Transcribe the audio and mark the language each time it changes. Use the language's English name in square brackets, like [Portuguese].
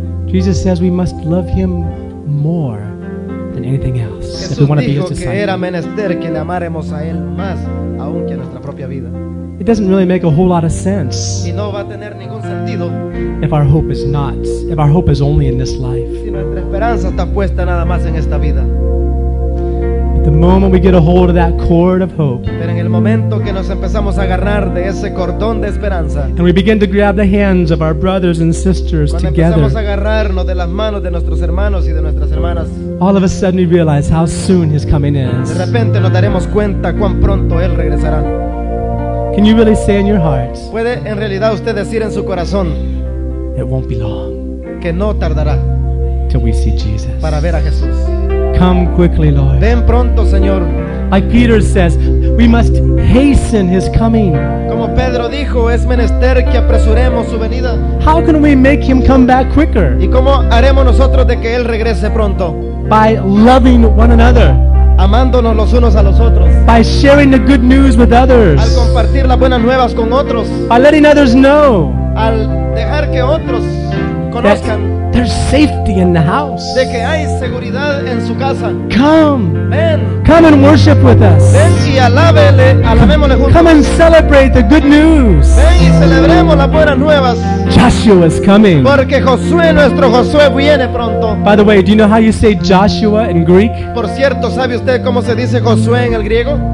[English] Jesus says we must love Him more than anything else. [Spanish] Jesús [English] if we want to be His disciples. [Spanish] Era menester que le amáremos a Él más aún que a nuestra propia vida. [English] It doesn't really make a whole lot of sense. [Spanish] Y no va a tener ningún sentido. [English] If our hope is only in this life. [Spanish] Si nuestra esperanza está puesta nada más en esta vida. [English] But the moment we get a hold of that cord of hope. [Spanish] Pero en el momento que nos empezamos a agarrar de ese cordón de esperanza. [English] And we begin to grab the hands of our brothers and sisters together. [Spanish] Cuando empezamos a agarrarnos de las manos de nuestros hermanos y de nuestras hermanas. [English] All of a sudden we realize how soon His coming is. [Spanish] De repente nos daremos cuenta cuán pronto Él regresará. [English] Can you really say in your heart? [Spanish] ¿Puede en realidad usted decir en su corazón? [English] It won't be long. [Spanish] Que no tardará. [English] Till we see Jesus. [Spanish] Para ver a Jesús. [English] Come quickly, Lord. [Spanish] Ven pronto, Señor. [English] Like Peter says, we must hasten His coming. [Spanish] Como Pedro dijo, es menester que apresuremos su venida. [English] How can we make Him come back quicker? [Spanish] ¿Y cómo haremos nosotros de que Él regrese pronto? [English] By loving one another. [Spanish] Amándonos los unos a los otros. [English] By sharing the good news with others. [Spanish] Al compartir las buenas nuevas con otros. [English] By letting others know. [Spanish] Al dejar que otros conozcan. [English] That there's safety in the house. [Spanish] De que hay seguridad en su casa. [English] Come. [Spanish] Ven. [English] Come and worship with us. [Spanish] Ven y alábele, alabémosle juntos. [English] Come and celebrate the good news. [Spanish] Ven y celebremos las buenas nuevas. [English] Joshua is coming. [Spanish] Porque Josué, nuestro Josué, viene pronto. [English] By the way, do you know how you say Joshua in Greek? [Spanish] Por cierto, ¿sabe usted cómo se dice Josué en el griego?